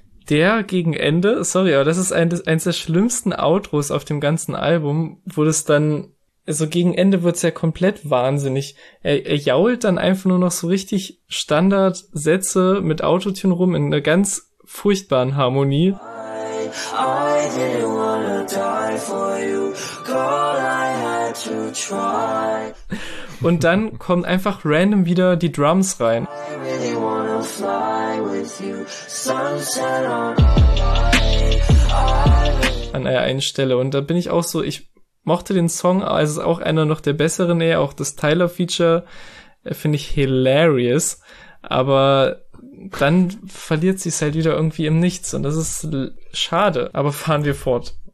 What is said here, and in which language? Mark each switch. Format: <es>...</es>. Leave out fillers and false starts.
<de>Der gegen Ende, sorry, aber das ist eins der schlimmsten Outros auf dem ganzen Album, wo das dann, also gegen Ende wird's ja komplett wahnsinnig. Er jault dann einfach nur noch so richtig Standardsätze mit Autotune rum in einer ganz furchtbaren Harmonie.</de> <en>I didn't wanna die for you, girl, I had to try.</en> <de>Und dann kommen einfach random wieder die Drums rein.</de> <en>I really wanna fly with you, sunset on high.</en> <de>An einer Stelle, und da bin ich auch so, ich mochte den Song, also ist auch einer noch der besseren, eher auch das Tyler-Feature finde ich hilarious, aber dann verliert sich's halt wieder irgendwie im Nichts und das ist schade, aber fahren wir fort.</de>